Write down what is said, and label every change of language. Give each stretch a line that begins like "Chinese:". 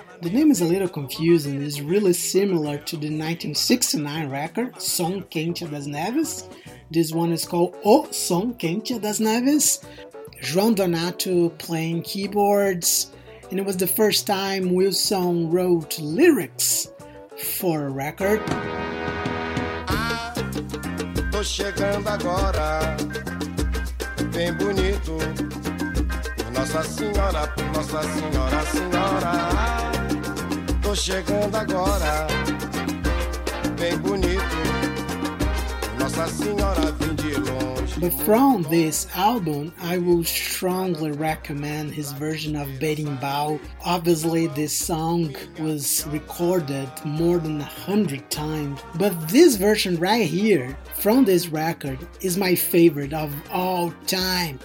English: The name is a little confusing. It's really similar to the 1969 record, Som Quente das Neves. This one is called O Som Quente das Neves. João Donato playing keyboards, and it was the first time Wilson wrote lyrics for a record.
Portuguese: Tô chegando agora, bem bonito, Nossa Senhora, Nossa Senhora, Senhora. Tô chegando agora, bem bonito, Nossa Senhora, vim de longe.
English: But from this album, I will strongly recommend his version of Berimbau. Obviously, this song was recorded more than 100 times, but this version right here from this record is my favorite of all time.